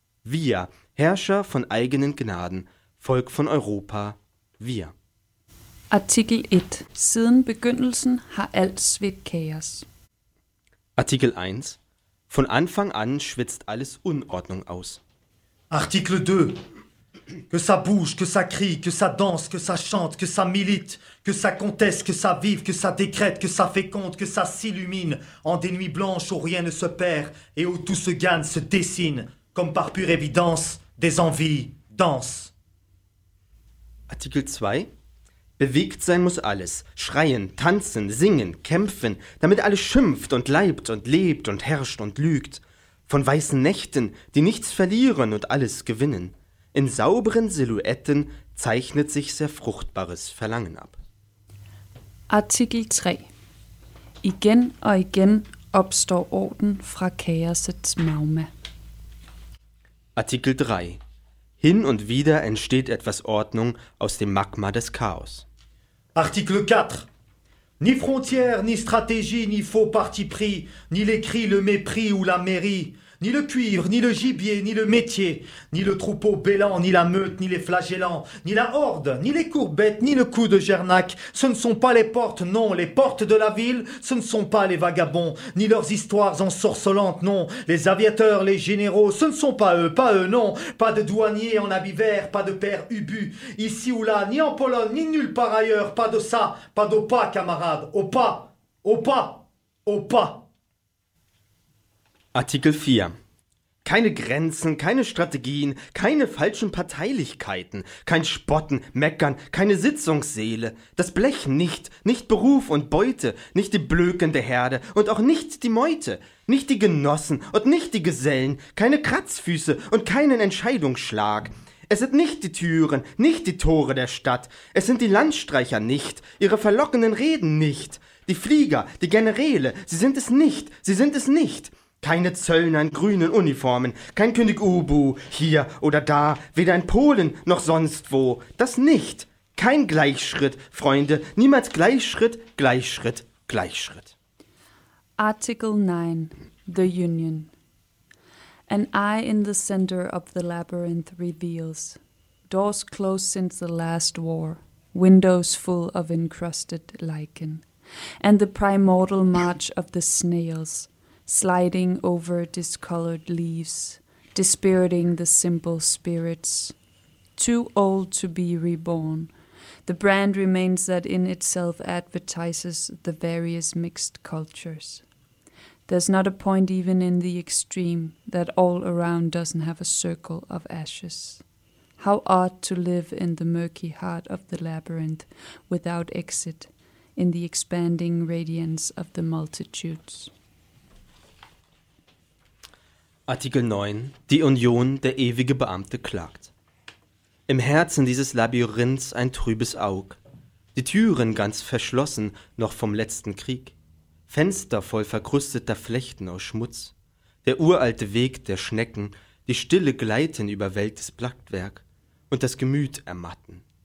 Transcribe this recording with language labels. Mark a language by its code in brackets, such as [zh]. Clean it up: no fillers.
[de] Wir, Herrscher von eigenen Gnaden, Volk von Europa, wir. [da] Artikel 1. Siden begyndelsen har alt svedt kaos. [de] Artikel 1. Von Anfang an schwitzt alles Unordnung aus. Artikel 2. [fr] Que ça bouge, que ça crie, que ça danse, que ça chante, que ça milite, que ça conteste, que ça vive, que ça décrète, que ça féconde, que ça s'illumine en des nuits blanches où rien ne se perd et où tout se gagne, se dessine, comme par pure évidence, des envies dansent. [de] Artikel 2. Bewegt sein muss alles, schreien, tanzen, singen, kämpfen, damit alles schimpft und leibt und lebt und herrscht und lügt. Von weißen Nächten, die nichts verlieren und alles gewinnen. In sauberen Silhouetten zeichnet sich sehr fruchtbares Verlangen ab. Artikel 3. [da] Igen og igen opstår orden fra kaosets magma. [de] Artikel 3. Hin und wieder entsteht etwas Ordnung aus dem Magma des Chaos. Artikel 4. [fr] Ni frontières, ni stratégie, ni faux parti pris, ni les cris, le mépris ou la mairie. Ni le cuivre, ni le gibier, ni le métier, ni le troupeau bêlant, ni la meute, ni les flagellants, ni la horde, ni les courbettes, ni le coup de Jernac. Ce ne sont pas les portes, non, les portes de la ville, ce ne sont pas les vagabonds, ni leurs histoires ensorcelantes, non, les aviateurs, les généraux, ce ne sont pas eux, non, pas de douaniers en habit vert, pas de père Ubu, ici ou là, ni en Pologne, ni nulle part ailleurs, pas de ça, pas d'opa, camarade, opa, opa, opa. [de] Artikel 4. Keine Grenzen, keine Strategien, keine falschen Parteilichkeiten, kein Spotten, Meckern, keine Sitzungsseele, das Blech nicht, nicht Beruf und Beute, nicht die blökende Herde und auch nicht die Meute, nicht die Genossen und nicht die Gesellen, keine Kratzfüße und keinen Entscheidungsschlag. Es sind nicht die Türen, nicht die Tore der Stadt, es sind die Landstreicher nicht, ihre verlockenden Reden nicht, die Flieger, die Generäle, sie sind es nicht, sie sind es nicht. Keine Zöllner in grünen Uniformen, kein König Ubu, hier oder da, weder in Polen noch sonst wo, das nicht. Kein Gleichschritt, Freunde, niemals Gleichschritt, Gleichschritt, Gleichschritt. [en] Article 9, The Union. An eye in the center of the labyrinth reveals doors closed since the last war, windows full of encrusted lichen, and the primordial march of the snails, sliding over discolored leaves, dispiriting the simple spirits. Too old to be reborn, the brand remains that in itself advertises the various mixed cultures. There's not a point even in the extreme that all around doesn't have a circle of ashes. How odd to live in the murky heart of the labyrinth without exit in the expanding radiance of the multitudes. [de] Artikel 9. Die Union, der ewige Beamte, klagt. Im Herzen dieses Labyrinths ein trübes Aug. Die Türen ganz verschlossen, noch vom letzten Krieg. Fenster voll verkrusteter Flechten aus Schmutz. Der uralte Weg der Schnecken, die stille Gleiten über weltes Blattwerk und das Gemüt ermatten.